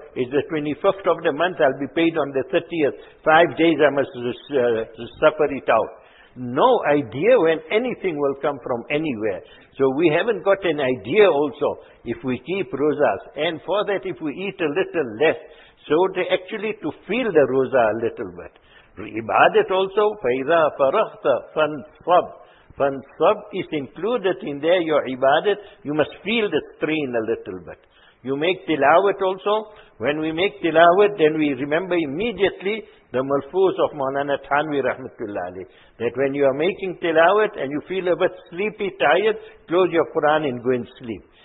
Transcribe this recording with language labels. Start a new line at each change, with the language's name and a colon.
English: It's the 25th of the month, I'll be paid on the 30th. 5 days I must suffer it out. No idea when anything will come from anywhere. So we haven't got an idea also if we keep rozas. And for that, if we eat a little less, so to actually to feel the roza a little bit. Ibadat also,
Arabic: فَإِذَا فَرَغْتَ فَانْصَبْ.
English: فَانْصَبْ is included in there, your ibadat. You must feel the strain a little bit. You make tilawat also. When we make tilawat, then we remember immediately the malfooz of Maulana Thanvi rahmatullahi alayhi. That when you are making tilawat and you feel a bit sleepy, tired, close your Quran and go and sleep.